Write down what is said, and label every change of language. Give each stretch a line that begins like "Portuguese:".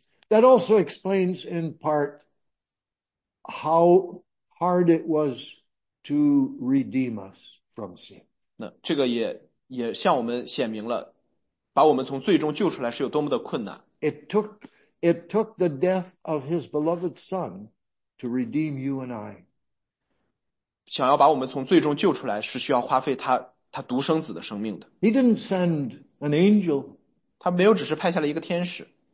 English: That also explains in part how hard it was to redeem us from sin.
Chinese: 那这个也向我们显明了，把我们从最终救出来是有多么的困难。
English: It took the death of his beloved son to redeem you and I.
Chinese: 想要把我们从最终救出来，是需要花费他独生子的生命的。
English: He didn't send an angel.
Chinese: 他没有只是派下了一个天使。